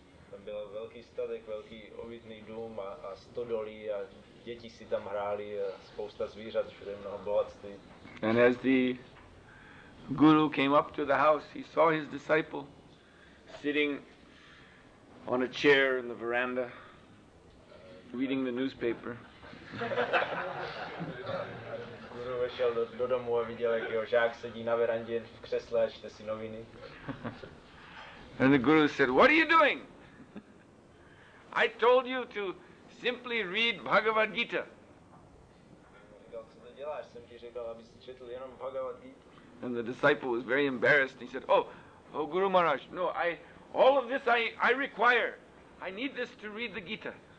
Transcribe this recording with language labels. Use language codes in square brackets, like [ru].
[cs] Tam byl velký statek, velký obytný dům a stodolí a děti si tam hráli a spousta zvířat, všude mnoho bohatství. [en] And as the guru came up to the house, he saw his disciple sitting on a chair in the veranda, reading the newspaper. [cs] Guru vešel do domu a viděl, jak jeho žák sedí na verandě v křesle a čte si noviny. [en] And the guru said, "What are you doing? I told you to simply read Bhagavad Gita." [cs] Říkal, co to děláš? Jsem ti řekl, aby si četl jenom Bhagavad Gita. [en] And the disciple was very embarrassed. He said, "Oh, Guru Maharaj, no, all of this I require. I need this to read the Gita."